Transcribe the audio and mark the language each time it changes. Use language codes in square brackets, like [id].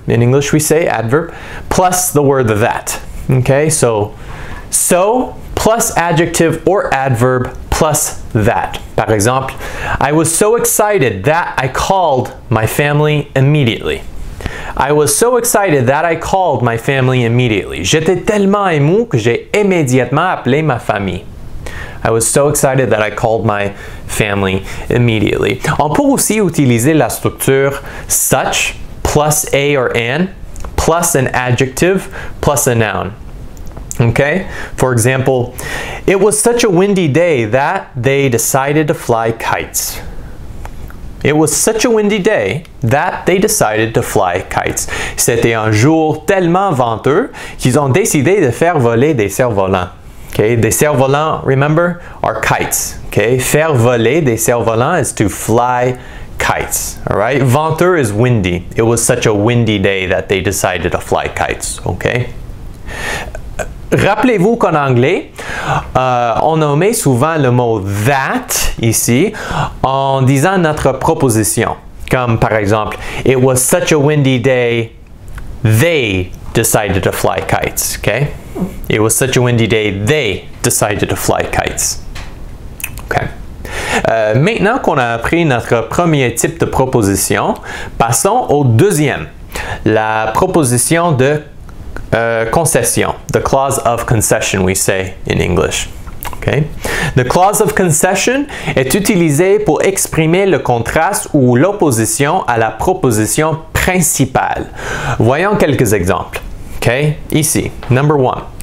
[en] In English we say adverb, plus the word that. Okay, so plus adjective or adverb plus that. [fr] Par exemple, [en] I was so excited that I called my family immediately. I was so excited that I called my family immediately. [fr] J'étais tellement ému que j'ai immédiatement appelé ma famille. [en] I was so excited that I called my family immediately. [fr] On peut aussi utiliser la structure [en] such plus a or an plus an adjective plus a noun. Okay? For example, it was such a windy day that they decided to fly kites. It was such a windy day that they decided to fly kites. [fr] C'était un jour tellement venteux qu'ils ont décidé de faire voler des cerfs-volants. [en] Okay, des cerfs-volants, remember, are kites. Okay, [fr] faire voler des cerfs-volants [en] is to fly kites. All right, venteux is windy. It was such a windy day that they decided to fly kites. [fr] Okay. Rappelez-vous qu'en anglais, on nomme souvent le mot that ici en disant notre proposition. Comme par exemple, [en] it was such a windy day, they decided to fly kites. Okay. It was such a windy day, they decided to fly kites. Okay. [fr] Maintenant qu'on a appris notre premier type de proposition, passons au deuxième, la proposition de concession. [en] The clause of concession, we say in English. [fr] Okay. The clause of concession est utilisée pour exprimer le contraste ou l'opposition à la proposition principale. Voyons quelques exemples. Okay. Ici, number one.